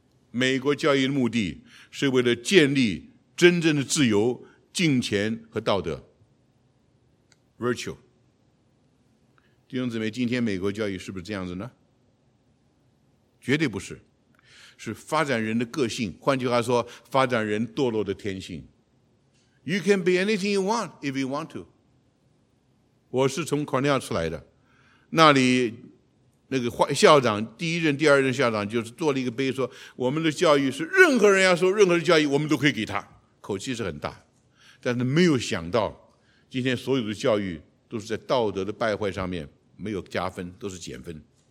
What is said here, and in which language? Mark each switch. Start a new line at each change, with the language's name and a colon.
Chinese: 美国教育的目的是为了建立真正的自由、敬虔和道德 （virtue）。弟兄姊妹，今天美国教育是不是这样子呢？绝对不是。是发展人的个性，换句话说发展人堕落的天性。
English: You can be anything you want if you want to。
Chinese: 我是从 Cornell 出来的，那里那个校长，第一任第二任校长就是做了一个碑，说我们的教育是任何人要受任何的教育我们都可以给他，口气是很大，但是没有想到今天所有的教育都是在道德的败坏上面，没有加分，都是减分。